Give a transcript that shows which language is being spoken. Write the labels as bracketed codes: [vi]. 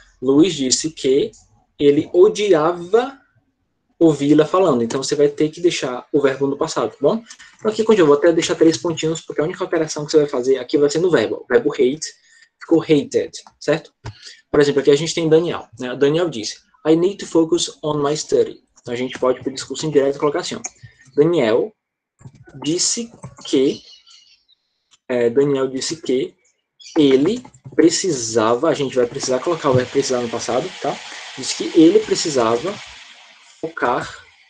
[pt] Louis disse que... Ele odiava ouvi-la falando. Então você vai ter que deixar o verbo no passado, tá bom? Então aqui, continua, eu vou até deixar três pontinhos, porque a única alteração que você vai fazer aqui vai ser no verbo. O verbo hate ficou hated, certo? Por exemplo, aqui a gente tem Daniel, né? Daniel disse, [en] I need to focus on my study. [pt] Então a gente pode, pro discurso indireto, colocar assim, ó. Daniel disse que. Daniel disse que ele precisava. A gente vai precisar colocar o verbo precisar no passado, tá? Diz que ele precisava focar.